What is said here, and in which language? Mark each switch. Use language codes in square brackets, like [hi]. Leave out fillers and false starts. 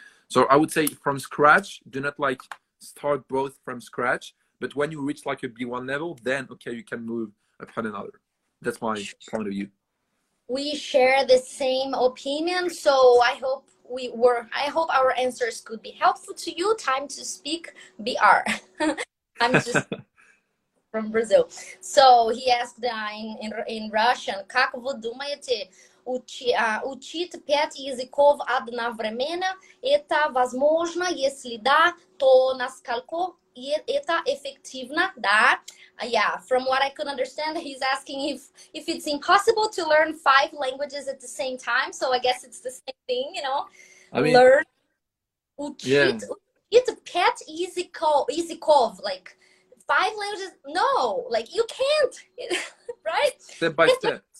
[en] So I would say from scratch, do not like start both from scratch. But when you reach like a B1 level, then okay, you can move upon another. That's my point of view. We share the same opinion. So I hope our answers could be helpful to you. Time to speak, BR. I'm just from Brazil. So he asked in Russian, [ru] как вы думаете, учить 5 языков одновременно, это возможно, если да, то насколько это эффективно, да? [en] Yeah, from what I could understand, he's asking if it's impossible to learn 5 languages at the same time. So I guess it's the same thing, you know? I mean, learn, [ru] учить 5 языков, [en] like 5 languages, no, like you can't, right?